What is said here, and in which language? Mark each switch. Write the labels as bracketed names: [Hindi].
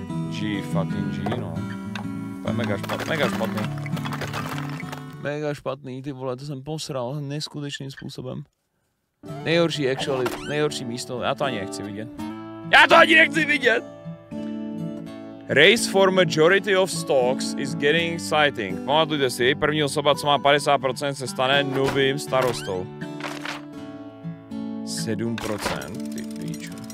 [English] G fucking G, no. [Czech] To je mega špatný, mega špatný. Mega špatný, ty vole, to jsem posral neskutečným způsobem. Nejhorší actually, nejhorší místo, já to ani nechci vidět. JÁ TO ANI NECHCI VIDĚT! [English] Race for majority of stocks is getting exciting. [Czech] Pamatujte si, první osoba, co má 50%, se stane novým starostou. 7%, ty píču.